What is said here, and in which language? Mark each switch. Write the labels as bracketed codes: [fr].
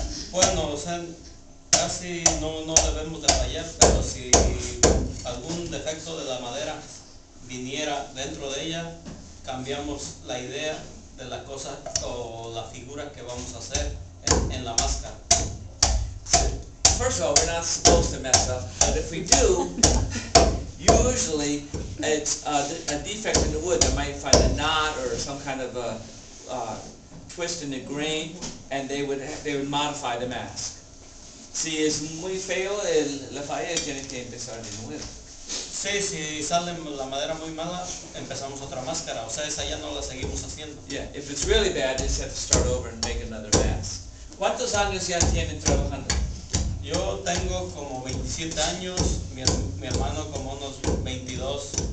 [es] Bueno, o sea, casi no debemos de fallar, pero si algún defecto de la madera viniera dentro de ella, cambiamos la idea de la cosa o la figura que vamos a hacer en la máscara. [en] First of all, we're not supposed to mess up, but if we do, usually it's a defect in the wood. They might find a knot or some kind of a twist in the grain, and they would modify the mask. [es] Si es muy feo, la falla tiene que empezar de nuevo. Si sale la madera muy mala, empezamos otra máscara. O sea, esa ya no la seguimos haciendo. [en] Yeah, if it's really bad, you just have to start over and make another mask. [es] ¿Cuántos años ya tienen trabajando? Yo tengo como 27 años, mi hermano como unos 22.